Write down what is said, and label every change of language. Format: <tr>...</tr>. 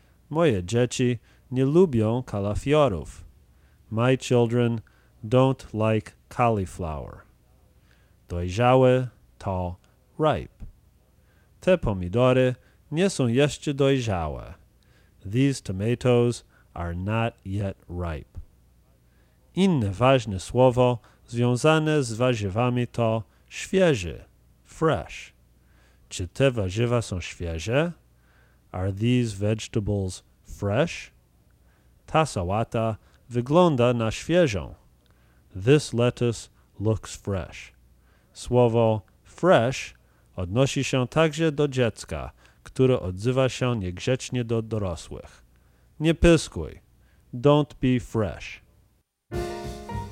<pl>Moje dzieci nie lubią kalafiorów.</pl> <en>My children don't like cauliflower.</en> <pl>Dojrzałe to ripe. Te pomidory nie są jeszcze dojrzałe.</pl> <en>These tomatoes are not yet ripe.</en> <pl>Inne ważne słowo związane z warzywami to świeży, fresh. Czy te warzywa są świeże?</pl> <en>Are these vegetables fresh?</en> <pl>Ta sałata wygląda na świeżą.</pl> <en>This lettuce looks fresh.</en> <pl>Słowo fresh odnosi się także do dziecka, które odzywa się niegrzecznie do dorosłych. Nie pyskuj.</pl> <en>Don't be fresh.</en>